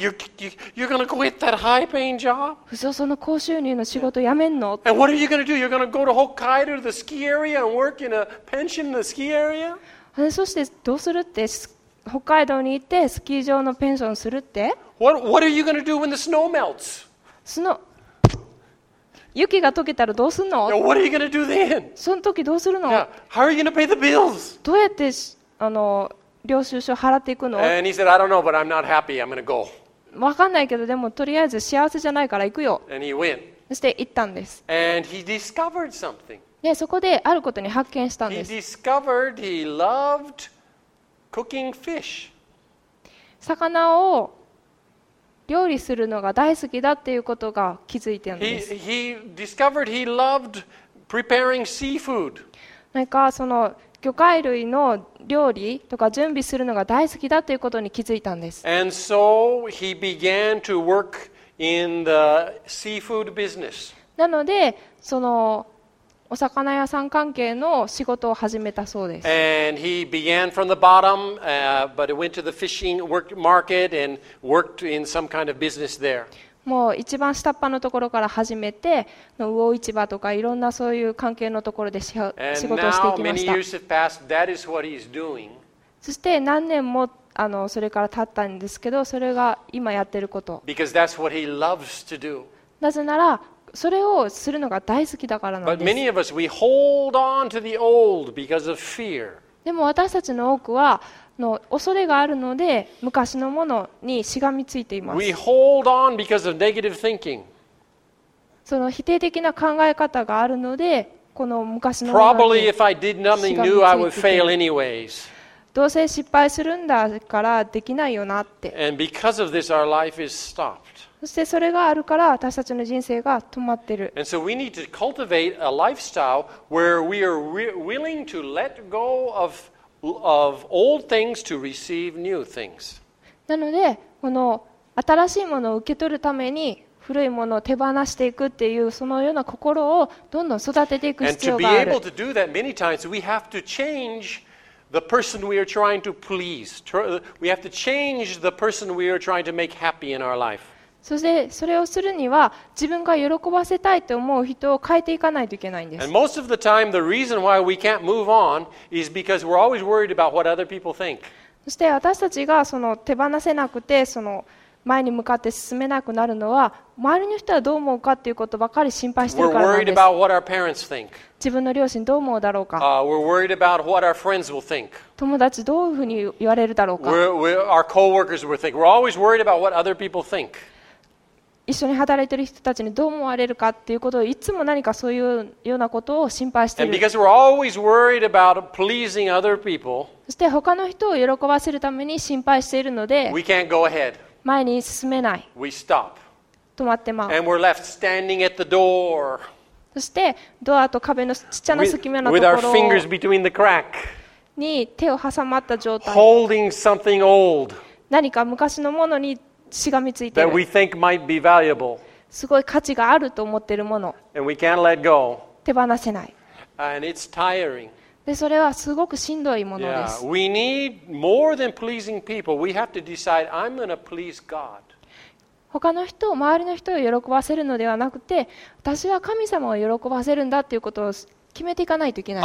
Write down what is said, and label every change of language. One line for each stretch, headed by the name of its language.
English: You're gonna quit that high-paying job?
Japanese: その高収入の仕事辞めんの？
English: And what are you gonna do? You're gonna go to Hokkaido, the ski area, and work in a pension in the ski area?
Japanese: そしてどうするって北海道に行ってスキー場のペンションするって
English: ？What are you gonna do when the snow melts?
Japanese: 雪が溶けたらどうすんの
English: ？Yeah. What are you gonna do then?
Japanese: その時どうするの
English: ？Yeah. How are you gonna pay the bills?
Japanese: どうやって領収書払っていくの？
English: And he said, I don't know, but I'm not happy. I'm gonna go.
Japanese: わかんないけど、でもとりあえず幸せじゃないから行くよ。
English: And he went.
Japanese: そして行ったんです。
English: And he discovered something.
Japanese: で、そこであることに発見したんです。
English: He discovered he loved cooking fish.
Japanese: 魚を料理するのが大好きだっていうことが気づいてんです。
English: He discovered he loved preparing seafood.
Japanese: なんかその魚介類の料理とか準備するのが大好きだということに気づいたんです。
English: And so he began to work in the seafood business.
Japanese: なので、そのお魚屋さん関係の仕事を始めたそうです。
English: And he began from the bottom, but it went to the fishing market and worked in some kind of business there.
Japanese: もう一番下っ端のところから始めて魚市場とかいろんなそういう関係のところで仕事をしていきました。
English: That is what he's doing.
Japanese: そして何年もそれから経ったんですけど、それが今やってること。
English: Because that's what he loves to do.
Japanese: なぜならそれをするのが大好きだからなんです。
English: But many of us, we hold on to the old because of fear.
Japanese: でも私たちの多くは恐れがあるので昔のものにしがみついています。
English: We hold on because of negative thinking.
Japanese: その否定的な考え方があるのでこの昔のものにしがみついています。
English: Probably if I did nothing new, I would fail anyways.
Japanese: どうせ失敗するんだからできないよなって。
English: And because of this, our life is stopped.
Japanese: そしてそれがあるから私たちの人生が止まってる。
English: And so we need to cultivate a lifestyle where we are willing to let go of old things to receive new things.
Japanese: なのでこの新しいものを受け取るために古いものを手放していくっていうそのような心をどんどん育てていく必要がある。
English: And to be able to do that, many times we have to change the person we are trying to please. We have to change the person we are trying to make happy in our life.
Japanese: そしてそれをするには自分が喜ばせたいと思う人を変えていかないといけないんです。
English: And most of the time, the reason why we can't move on is because we're always worried about what other people think.
Japanese: そして私たちがその手放せなくてその前に向かって進めなくなるのは周りの人はどう思うかということばかり心配しているからなんです。
English: We're worried about what our parents think.
Japanese: 自分の両親どう思うだろうか。
English: We're worried about what our friends will think.
Japanese: 友達どういうふうに言われるだろうか。
English: Our coworkers will think. We're always worried about what other people think.
Japanese: 一緒に働いている人たちにどう思われるかっていうことをいつも何かそういうようなことを心配している。
English: And because we're always worried about pleasing other people,
Japanese: そして他の人を喜ばせるために心配しているので、
English: we can't go ahead.
Japanese: 前に進めない。
English: We stop.
Japanese: 止まってまう。
English: And we're left standing at the door.
Japanese: そしてドアと壁のちっちゃな隙間のところ
English: with our fingers between the crack.
Japanese: に手を挟まった状態。
English: Holding something old.
Japanese: 何か昔のものにしがみついている
English: That we think might be valuable.
Japanese: すごい価値があると思っているもの。
English: And we can't let go.
Japanese: 手放せない。
English: And it's tiring.
Japanese: で、それはすごくしんどいものです。
English: Yeah. We need more than pleasing people. We have to decide I'm going to please God.
Japanese: 他の人を周りの人を喜ばせるのではなくて、私は神様を喜ばせるんだということを決めていかないといけない。